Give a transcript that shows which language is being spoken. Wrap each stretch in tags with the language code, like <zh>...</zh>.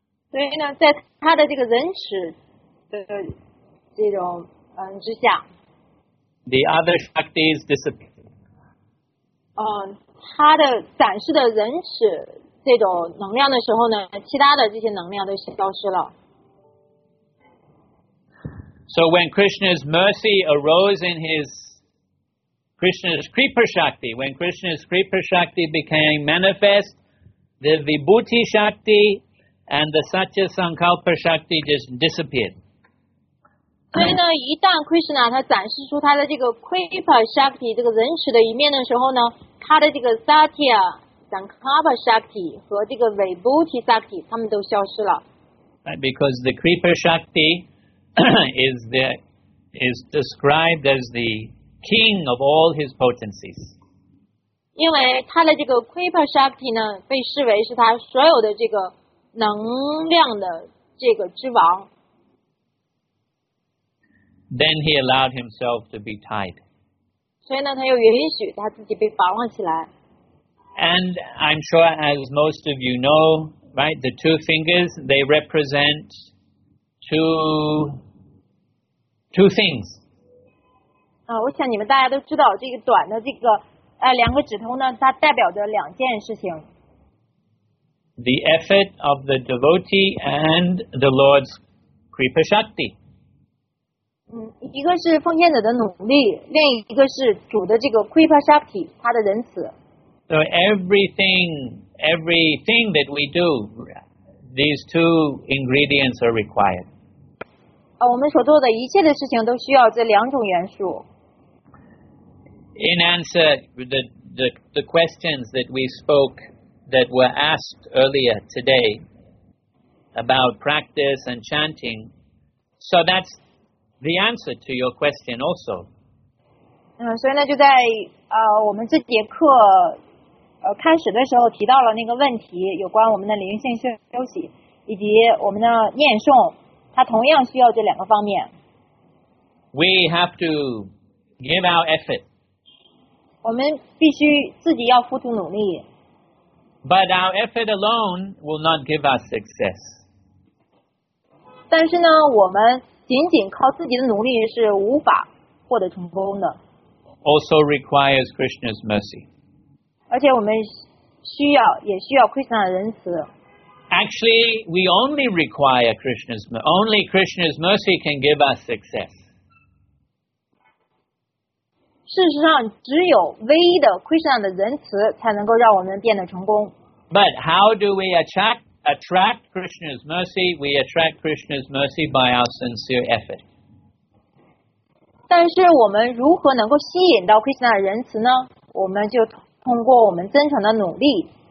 <zh>所以呢，在他的这个仁慈的这种之下</zh> <en>，the other shaktis disappear.</en> <zh>他的展示的仁慈这种能量的时候呢，其他的这些能量都消失了。</zh> <en>So when Krishna's mercy arose in his Krishna's Kripa Shakti, when Krishna's Kripa Shakti became manifest, the Vibhuti Shakti and the Satya Sankalpa Shakti just disappeared.</en> <zh>所以呢，一旦 Krishna 他展示出他的这个 Kripa Shakti 这个仁慈的一面的时候呢，他的这个 Satya Sankalpa Shakti 和这个 Vibhuti Shakti 他们都消失了。</zh> <en>Right, because the Kripa Shakti is described as the king of all his potencies.</en> <zh>因为他的这个 Kripa Shakti 呢，被视为是他所有的这个能量的这个之王。</zh> <en>Then he allowed himself to be tied.</en> <zh>所以呢，他又允许他自己被绑了起来。</zh> <en>And I'm sure, as most of you know, right, the two fingers, they represent two things.</en> <zh>我想你们大家都知道这个短的这个两个指头呢，它代表着两件事情。</zh> <en>The effort of the devotee and the Lord's Kripa Shakti.</en> <zh>一个是奉献者的努力，另一个是主的这个 Kripa Shakti, 他的仁慈。</zh> <en>So everything that we do, these two ingredients are required.</en> <zh>我们所做的一切的事情都需要这两种元素。</zh> <en>In answer to the questions that we spoke, that were asked earlier today about practice and chanting, so that's the answer to your question also.</en> <zh>所以呢，就在我们这节课开始的时候提到了那个问题，有关我们的灵性休息以及我们的念诵，它同样需要这两个方面。</zh> <en>We have to give our effort.</en> <zh>我们必须自己要付出努力。</zh> <en>But our effort alone will not give us success.</en> <zh>但是呢，我们仅仅靠自己的努力是无法获得成功的。</zh> <en>Also requires Krishna's mercy.</en> <zh>而且我们需要，也需要 Krishna 的仁慈。</zh> <en>Actually, we only require Krishna's mercy. Only Krishna's mercy can give us success.</en> <zh>事实上，只有唯一的 Krishna 的仁慈才能够让我们变得成功。</zh> <en>But how do we attract Krishna's mercy? We attract Krishna's mercy by our sincere effort.</en> <zh>但是我们如何能够吸引到 Krishna 的仁慈呢？我们就通过我们真诚的努力。</zh>